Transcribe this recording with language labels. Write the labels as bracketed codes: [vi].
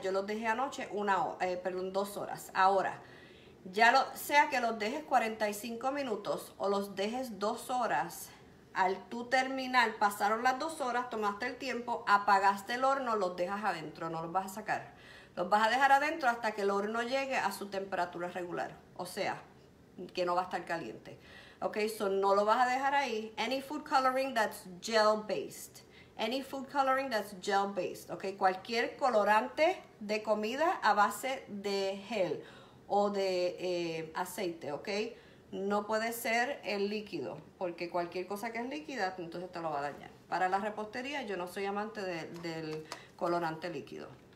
[es] Yo los dejé anoche dos horas. Ahora, ya sea que los dejes 45 minutos o los dejes dos horas, al tú terminar, pasaron las dos horas, tomaste el tiempo, apagaste el horno, los dejas adentro, no los vas a sacar. Los vas a dejar adentro hasta que el horno llegue a su temperatura regular, o sea, que no va a estar caliente. Ok, so no lo vas a dejar ahí. [en] Any food coloring that's gel based. Any food coloring that's gel based. [es] Ok, cualquier colorante de comida a base de gel o de aceite, ok. No puede ser el líquido, porque cualquier cosa que es líquida, entonces te lo va a dañar. Para la repostería, yo no soy amante del colorante líquido.